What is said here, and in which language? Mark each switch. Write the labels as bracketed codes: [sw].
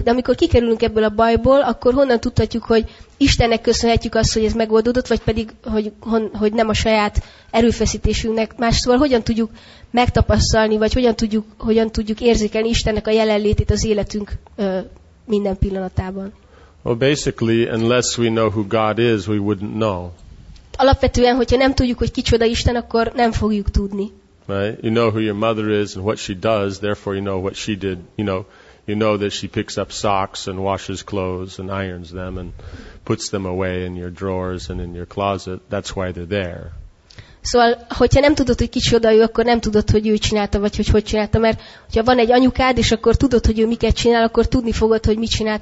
[hu] De amikor kikerülünk ebből a bajból, akkor honnan tudhatjuk, hogy Istennek köszönhetjük azt, hogy ez megoldódott, vagy pedig, hogy nem a saját erőfeszítésünknek. Másszóval hogyan tudjuk megtapasztalni, vagy hogyan tudjuk érzékelni Istennek a jelenlétét az életünk minden pillanatában? [en] Well, basically, unless we know who God is, we wouldn't know. [hu] Alapvetően, hogyha nem tudjuk, hogy kicsoda Isten, akkor nem fogjuk tudni. [en] Right? You know who your mother is and what she does, therefore you know what she did. You know that she picks up socks and washes clothes and irons them and puts them away in your drawers and in your closet. That's why they're there. [hu] Szóval, hogyha nem tudod, hogy kicsoda ő, akkor nem tudod, hogy ő csinálta, vagy hogy csinálta. Mert hogyha van egy anyukád, és akkor tudod, hogy ő miket csinál, akkor tudni fogod, hogy mit csinált.